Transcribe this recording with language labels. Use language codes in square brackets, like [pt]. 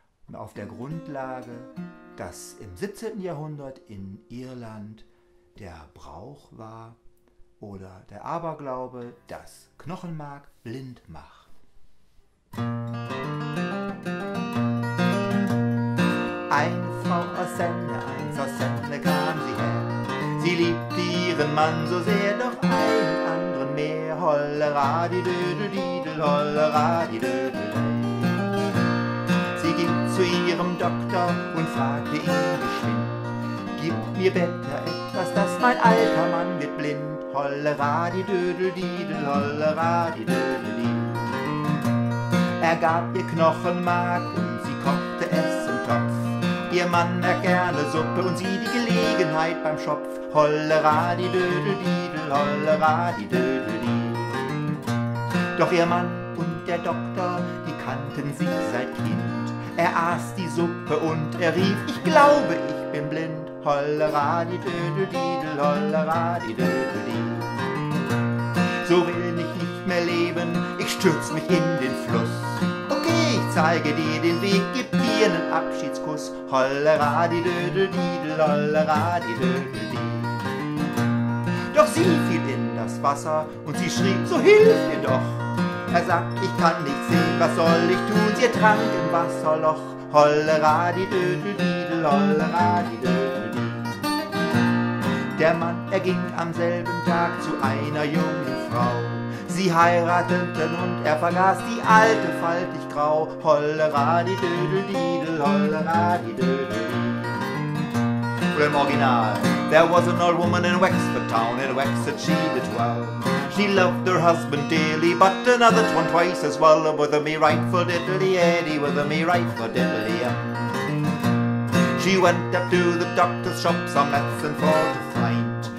[de] Und auf der Grundlage, dass im 17. Jahrhundert in Irland der Brauch war, oder der Aberglaube, dass Knochenmark blind macht. Eine Frau aus Senne, eins aus Senne kam sie her. Sie liebte ihren Mann so sehr, doch einen anderen mehr. Holleradidödelidel, holleradidödelidel. Sie ging zu ihrem Doktor und fragte ihn geschwind: Gib mir bitte etwas, dass mein alter Mann wird blind. Holleradidödelidel, holleradidödelidel. Er gab ihr Knochenmark und sie kochte es im Topf. Ihr Mann merkt gerne Suppe und sie die Gelegenheit beim Schopf. Holleradidödelidel, holleradidödelidel. Doch ihr Mann und der Doktor, die kannten sich seit Kind. Er aß die Suppe und er rief: Ich glaube, ich bin blind. Holleradidödelidel, holleradidödelidel. So will ich nicht mehr leben, ich stürz mich in den Fluss. Okay, ich zeige dir den Weg, gib dir nen Abschiedskuss. Holleradidödelidel, holleradidödelidel. Doch sie fiel in das Wasser und sie schrie: So hilf mir doch. Er sagt: Ich kann nicht sehen, was soll ich tun? Sie ertrank im Wasserloch. Holleradidödelidel, holleradidödelidel. Der Mann, er ging am selben Tag zu einer jungen Frau. Sie heirateten und er vergaß die alte faltig grau. Holleradidödelidel, holleradidödelidel. Oder im Original: [en] There was an old woman in Wexford town, in Wexford she did well. She loved her husband dearly, but another one twice as well. With a me rightful diddly eddie, with a me rightful diddly em. She went up to the doctor's shop, some medicine for to find.